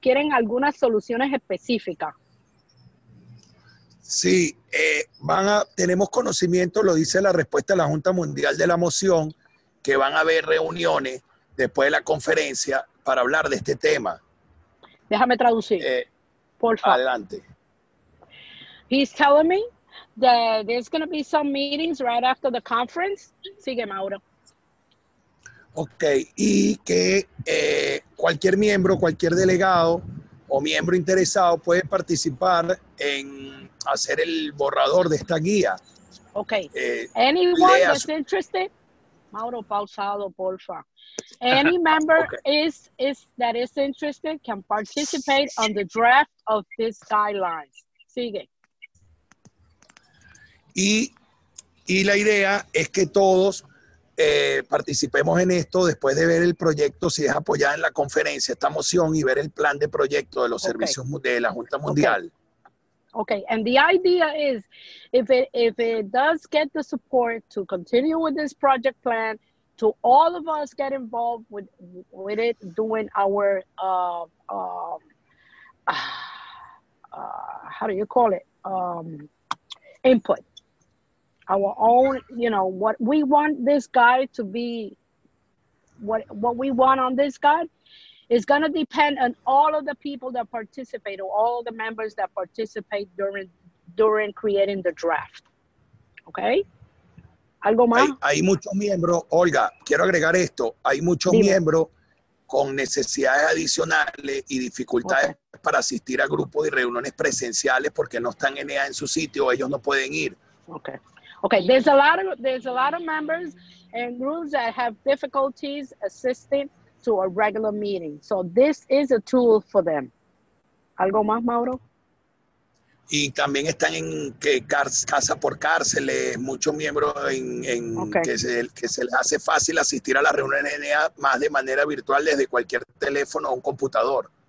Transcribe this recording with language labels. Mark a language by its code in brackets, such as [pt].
[es] ¿Quieren algunas soluciones específicas? Sí, tenemos conocimiento, lo dice la respuesta de la Junta Mundial de la Moción, que van a haber reuniones después de la conferencia para hablar de este tema. Déjame traducir, por favor. Adelante. [en] He's telling me that there's going to be some meetings right after the conference. [es] Sigue, Mauro. Ok, y que cualquier miembro, cualquier delegado o miembro interesado puede participar en hacer el borrador de esta guía. [en] Ok, anyone that's interested, Mauro, [es] pausado, porfa. [en] Any member okay. is interested can participate on the draft of this guidelines. [es] Sigue. Y la idea es que todos participemos en esto después de ver el proyecto, si es apoyada en la conferencia, esta moción, y ver el plan de proyecto de los servicios de la Junta Mundial. [en] Okay, and the idea is, if it does get the support to continue with this project plan, to all of us get involved with it, doing our, how do you call it, input. Our own, you know, what we want this guy to be, what we want on this guy, is going to depend on all of the people that participate, or all the members that participate during creating the draft. [es] Okay? ¿Algo más? Hay muchos miembros, Olga, quiero agregar esto, hay muchos miembros con necesidades adicionales y dificultades para asistir a grupos y reuniones presenciales porque no están NA en su sitio, ellos no pueden ir. [en] Okay, there's a lot of members and groups that have difficulties assisting to a regular meeting. So this is a tool for them. [es] ¿Algo más, [en] Mauro? [es] Y también están en casa por cárceles, muchos miembros que se les hace fácil asistir a la reunión de NA más de manera virtual desde cualquier teléfono o un computador.